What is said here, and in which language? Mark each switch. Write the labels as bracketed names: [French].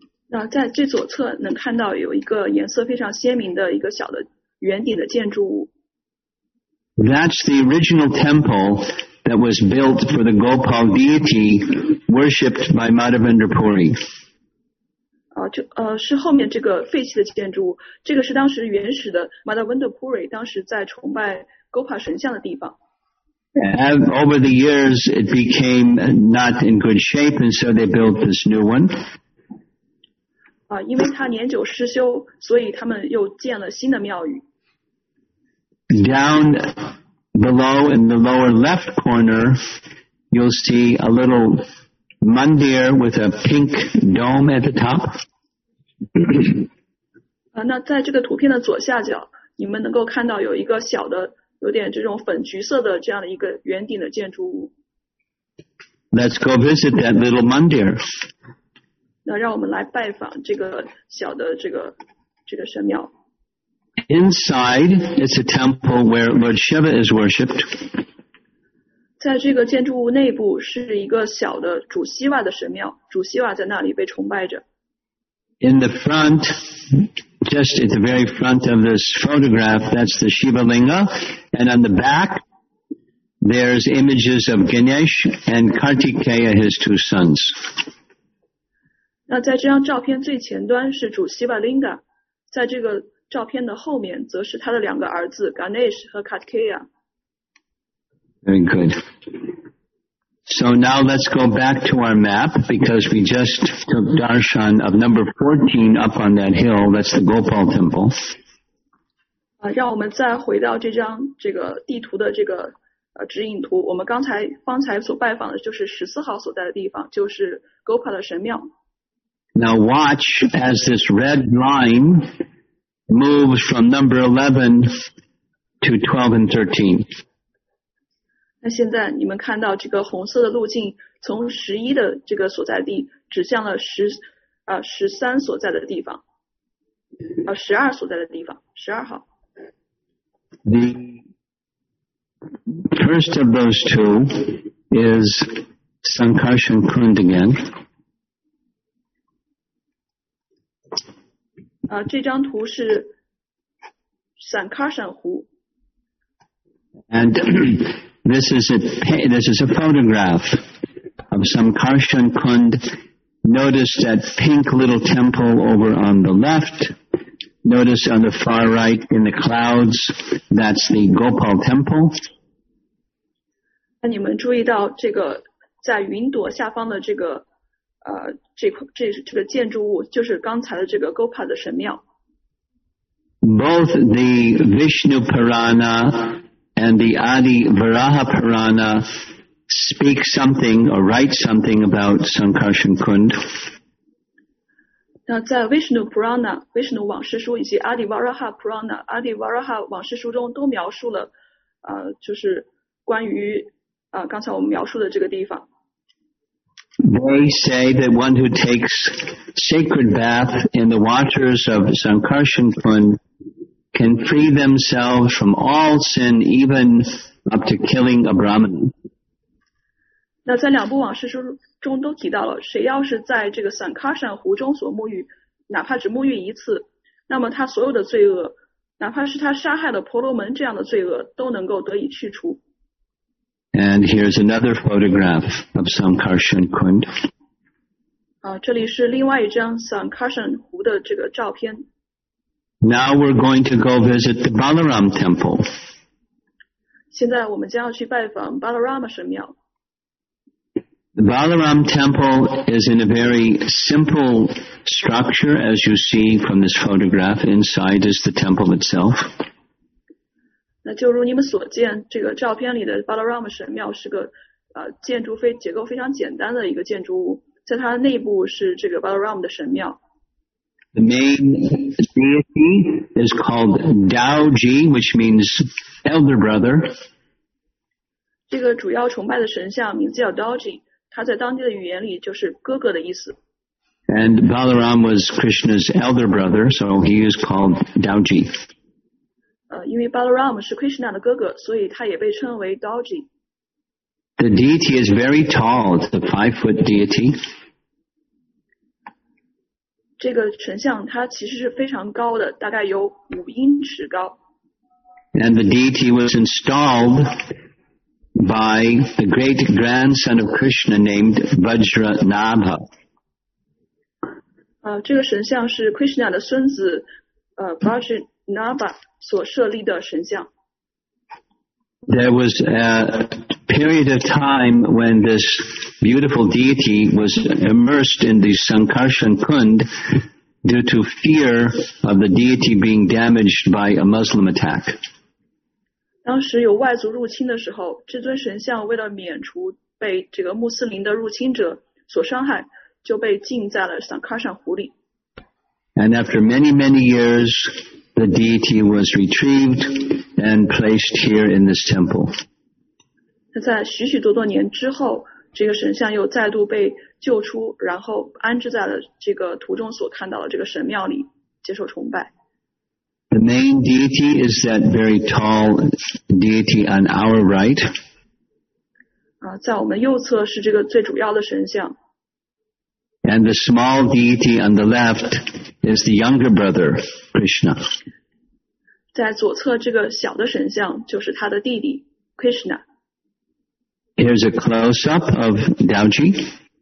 [Chinese] 那在最左侧能看到有一个颜色非常鲜明的一个小的圆顶的建筑物。 [English] That's the original temple that was built for the Gopal deity worshipped by Madhavendra Puri. [Chinese] 是后面这个废弃的建筑物，这个是当时原始的 Madhavendra Puri 当时在崇拜 Gopal 神像的地方。 [English] And over the years, it became not in good shape, and so they built this new one. [Chinese] 因为它年久失修，所以他们又建了新的庙宇。 [English] Down below in the lower left corner, you'll see a little mandir with a pink dome at the top. [Chinese] 那在这个图片的左下角，你们能够看到有一个小的、有点这种粉橘色的这样的一个圆顶的建筑物。 [English] Let's go visit that little mandir. [Chinese] 那让我们来拜访这个小的这个神庙。 [English] Inside, it's a temple where Lord Shiva is worshipped. [Chinese] 在这个建筑物内部是一个小的主希瓦的神庙，主希瓦在那里被崇拜着。 [English] In the front, just at the very front of this photograph, that's the Shiva Linga. And on the back, there's images of Ganesh and Kartikeya, his two sons. [Chinese] 那在这张照片最前端是主希瓦 Linga， 在这个照片的后面则是他的两个儿子 Ganesh 和 Kartikeya。 [English] Very good. So now let's go back to our map because we just took darshan of number 14 up on that hill. That's the Gopal temple. [Chinese] 让我们再回到这张这个地图的这个指引图。我们刚才所拜访的就是14号所在的地方，就是 Gopal 的神庙。 [English] Now watch as this red line moves from number 11 to 12 and 13. [Chinese] 那现在你们看到这个红色的路径从11的这个所在地指向了13所在的地方12所在的地方12号。 [English] The first of those two is Sankarshan Kund again. [Chinese] 这张图是 Sankarshan 湖。 [English] And This is a photograph of Sankarshan Kund. Notice that pink little temple over on the left. Notice on the far right in the clouds, that's the Gopal temple. [Chinese] 那你们注意到这个在云朵下方的这个这个建筑物，就是刚才的这个 Gopal 的神庙。 [English] Both the Vishnu Purana and the Adi Varaha Purana speak something or write something about Sankarshan Kund. [Chinese] 那在 Vishnu Purana, Vishnu 往事书以及 Adi Varaha Purana, Adi Varaha 往事书中都描述了就是关于刚才我们描述的这个地方。 [English] They say that one who takes sacred bath in the waters of Sankarshan Kund can free themselves from all sin, even up to killing a Brahmin. [Chinese] 那在两部往事书中都提到了，谁要是在这个 Sankarshan 湖中所沐浴，哪怕只沐浴一次，那么他所有的罪恶，哪怕是他杀害了婆罗门这样的罪恶，都能够得以去除。 [English] And here's another photograph of Sankarshan Kund. [Chinese] 这里是另外一张 Sankarshan 湖的这个照片。 [English] Now we're going to go visit the Balaram temple. [Chinese] 现在我们将要去拜访 Balaram 神庙。 [English] The Balaram temple is in a very simple structure, as you see from this photograph. Inside is the temple itself. [Chinese] 那就如你们所见，这个照片里的 Balaram 神庙是个建筑非结构非常简单的一个建筑物，在它内部是这个 Balaram 的神庙。 [English] The main deity is called Daoji, which means elder brother. [Chinese] 这个主要崇拜的神像名字叫 Dorji， 他在当地的语言里就是哥哥的意思。 [English] And Balaram was Krishna's elder brother, so he is called Dorji. [Chinese] 因为 Balaram 是 Krishna 的哥哥，所以他也被称为 Dorji。 [English] The deity is very tall, the 5-foot deity. [Chinese] 这个神像它其实是非常高的，大概有五英尺高。 [English] And the deity was installed by the great grandson of Krishna named Vajranabha. [Chinese] 这个神像是 Krishna 的孙子Vajranabha 所设立的神像。 [English] There was a period of time when this beautiful deity was immersed in the Sankarshan Kund due to fear of the deity being damaged by a Muslim attack. [Chinese] 当时有外族入侵的时候，这尊神像为了免除被这个穆斯林的入侵者所伤害，就被禁在了 Sankarshan 湖里。 [English] And after many, many years,The deity was retrieved and placed here in this temple. [Chinese] 在许许多多年之后，这个神像又再度被救出，然后安置在了这个图中所看到的这个神庙里，接受崇拜。 [English] The main deity is that very tall deity on our right. [Chinese] 在我们右侧是这个最主要的神像。 [English] And the small deity on the left is the younger brother, Krishna. [Chinese] 在左侧这个小的神像就是他的弟弟 Krishna. [English] Here's a close-up of Dorji.